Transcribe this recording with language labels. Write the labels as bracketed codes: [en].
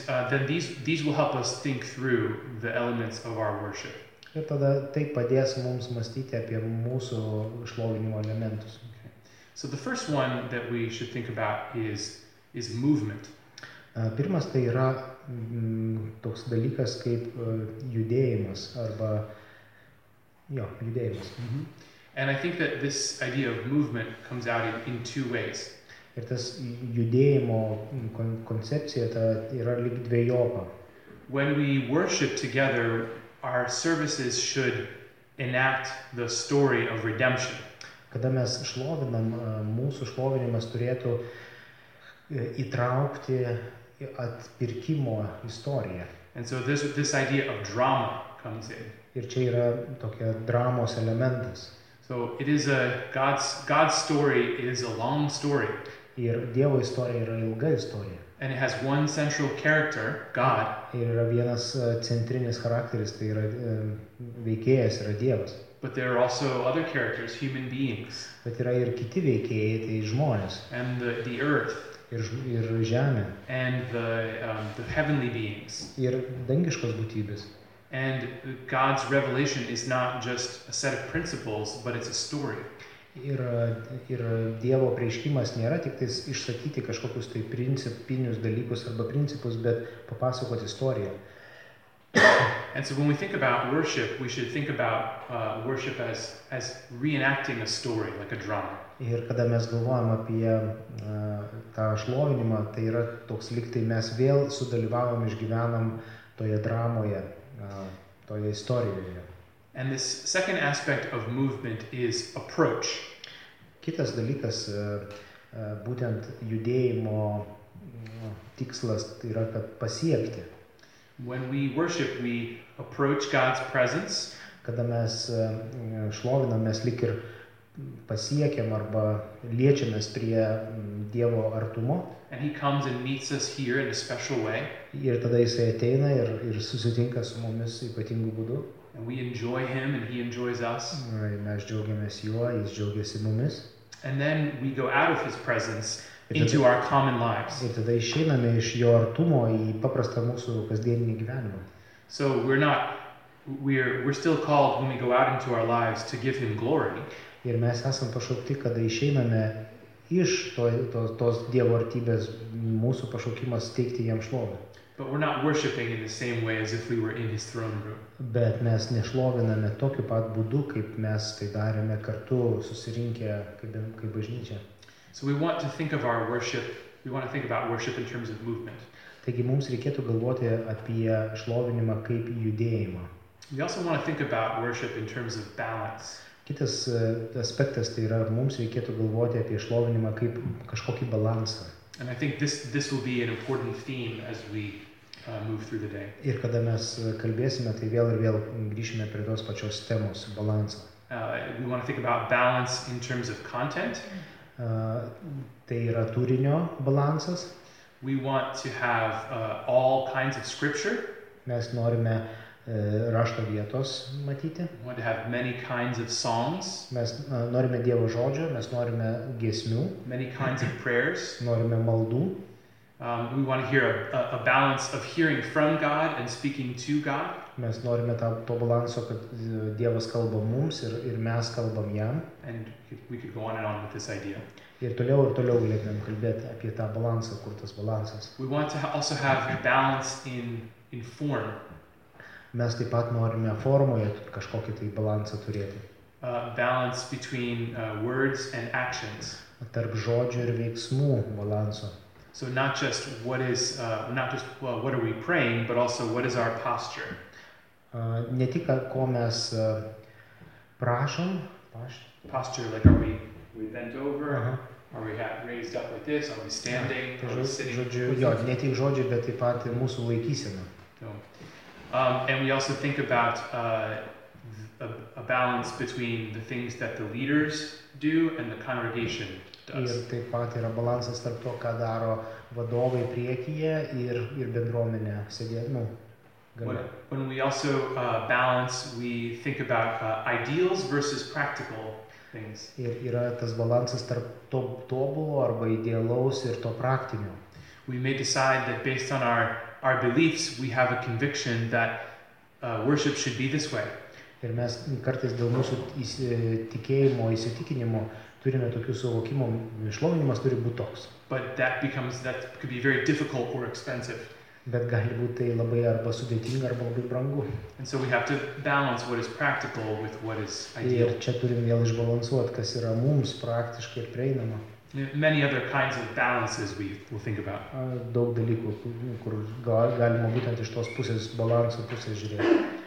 [en] Then these will help us think through the elements of our worship. [lt] Ir tada tai padės mums mąstyti apie mūsų šlovinimo elementus. [en] So the first one that we should think about is movement. [lt] Pirmas tai yra toks dalykas kaip judėjimas arba jo, judėjimas. Mm-hmm. [en] And I think that this idea of movement comes out in two ways. [lt] Ir tas judėjimo koncepcija ta yra lyg dvejopa. [en] When we worship together, our services should enact the story of redemption. [lt] Kada mes šlovinam, mūsų šlovinimas turėtų įtraukti atpirkimo istoriją. [en] And so this idea of drama comes in. [lt] Ir čia yra tokia dramos elementas. [en] So it is a God's story is a long story. [lt] Ir Dievo istorija yra ilga istorija. [en] And it has one central character, God. [lt] Ir yra vienas centrinis charakteris, tai yra veikėjas, yra Dievas. [en] But there are also other characters, human beings. [lt] Bet yra ir kiti veikėjai, tai žmonės. [en] And the earth. [lt] Ir žemė. [en] And the heavenly beings. [lt] Ir dangiškos būtybės. [en] And God's revelation is not just a set of principles, but it's a story. [lt] Ir Dievo apreiškimas nėra tik tais išsakyti kažkokius tai principinius dalykus arba principus, bet papasakoti istoriją. [en] And so when we think about worship, we should think about worship as reenacting a story, like a drama. [lt] Ir kada mes galvojam apie tą šlovinimą, tai yra toks lyg tai mes vėl sudalyvavom, išgyvenam toje dramoje, toje istorijoje. [en] And this second aspect of movement is approach. [lt] Kitas dalykas, būtent judėjimo tikslas yra kad pasiekti. [en] When we worship, we approach God's presence. [lt] Kada mes šlovinam, mes lyg ir pasiekiam arba liečiamės prie Dievo artumo. [en] And he comes and meets us here in a special way. [lt] Ir tada jis ateina ir susitinka su mumis ypatingu būdu. [en] And we enjoy him and he enjoys us. Right, [lt] mes džiaugiamės juo, jis džiaugiasi mumis. [en] And then we go out of his presence into our common lives. [lt] Ir tada išeiname iš jo artumo į paprastą mūsų kasdieninį gyvenimą. [en] So we're still called when we go out into our lives to give him glory. [lt] Ir mes esam pašaukti, kada išeiname iš tos Dievo artybės, mūsų pašaukimas teikti jam šlovę. [en] But we're not worshiping in the same way as if we were in his throne room. [lt] Bet mes nešloviname tokiu pat būdu, kaip mes tai darėme kartu susirinkę kaip bažnyčia. [en] So we want to think of our worship, we want to think about worship in terms of movement. [lt] Taigi mums reikėtų galvoti apie šlovinimą kaip judėjimą. [en] We also want to think about worship in terms of balance. [lt] Kitas aspektas tai yra mums reikėtų galvoti apie šlovinimą kaip kažkokį balansą. [en] And I think this will be an important theme as we move through the day. [lt] Ir kada mes kalbėsime, tai vėl ir vėl grįšime prie tos pačios temos balanso. [en] We want to think about balance in terms of content. [lt] Tai yra turinio balansas. [en] We want to have all kinds of scripture. [lt] Mes norime rašto vietos matyti. [en] We want to have many kinds of songs. [lt] Mes norime Dievo žodžio, mes norime giesmių. [en] Many kinds of prayers. [lt] Norime maldų. [en] We want to hear a balance of hearing from God and speaking to God. [lt] Mes norime to balanso, kad Dievas kalba mums ir mes kalbam jam. [en] And we could go on and on with this idea. [lt] Ir toliau galėtumėm kalbėti apie tą balansą, kur tas balansas. [en] We want to also have balance in form. [lt] Mes taip pat norime formoje kažkokį tai balansą turėti. [en] Balance between words and actions. [lt] Tarp žodžių ir veiksmų balanso. [en] So not just what are we praying, but also what is our posture. [lt] Ne tik ko mes prašom. [en] Posture, like are we bent over? Uh-huh. Are we raised up like this? Are we standing? Yeah. Are we sitting? [lt] Ne tik žodžiai, bet taip pat ir mūsų laikysena. [en] So, and we also think about a balance between the things that the leaders do and the congregation [lt] Ir taip pat yra balansas tarp to, ką daro vadovai priekyje ir, ir bendruomenė sėdėdami. [en] When we also balance, we think about ideals versus practical things. [lt] Ir yra tas balansas tarp to tobulo arba idealaus ir to praktinio. [en] We may decide that based on our beliefs, we have a conviction that worship should be this way. [lt] Ir mes kartais dėl mūsų tikėjimo, įsitikinimo turime tokių suvokimų, išlovinimas turi būti toks. [en] But that could be very difficult or expensive. [lt] Bet gali būti tai labai arba sudėtinga arba labai brangu. [en] And so we have to balance what is practical with what is ideal. [lt] Ir čia turim vėl išbalansuoti, kas yra mums praktiškai ir prieinama. [en] Many other kinds of balances we will think about. [lt] Daug dalykų, kur galima būtent iš tos pusės balanso pusės žiūrėti.